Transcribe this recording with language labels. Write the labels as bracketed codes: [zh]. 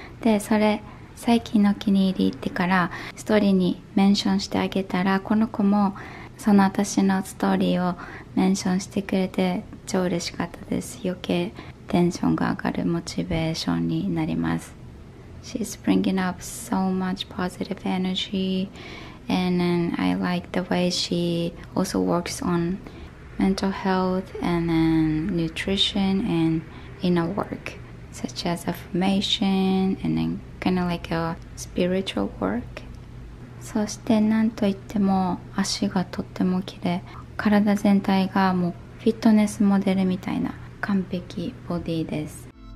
[ja] で、それ最近の気に入りってからストーリーにメンションしてあげたら、この子もその私のストーリーをメンションしてくれて超嬉しかったです。余計テンションが上がるモチベーションになります。 [en] She's bringing up so much positive energy and I like the way she also works on mental health and nutrition and inner work such as affirmation and then kind of like a spiritual work。 [ja] そしてなんといっても足がとっても綺麗、体全体がもうフィットネスモデルみたいな完璧ボディです。